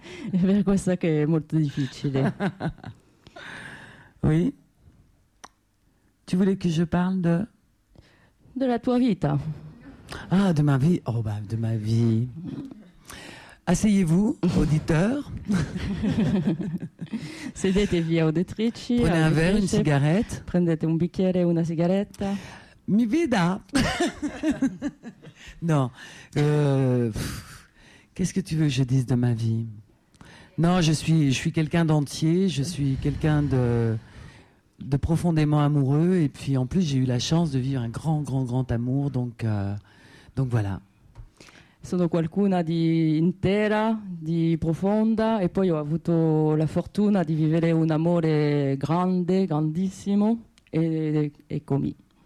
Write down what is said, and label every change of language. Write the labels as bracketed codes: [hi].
[it] È per questo che è molto difficile. [fr] Oui. Tu voulais que je parle de. [it] De la tua vita. [fr] Ah, de ma vie. Oh, bah, de ma vie. Asseyez-vous, auditeurs. [it] Sedetevi, auditrici. [fr] Prenez un verre, une cigarette. [it] Prendete un bicchiere e una sigaretta. [es] Mi vida. [fr] Non. Qu'est-ce que tu veux que je dise de ma vie? Non, je suis quelqu'un d'entier. Je suis quelqu'un de profondément amoureux. Et puis, en plus, j'ai eu la chance de vivre un grand, grand, grand amour. Donc voilà. [it] Sono qualcuna di intera, di profonda, e poi ho avuto la fortuna di vivere un amore grande, grandissimo, e comi.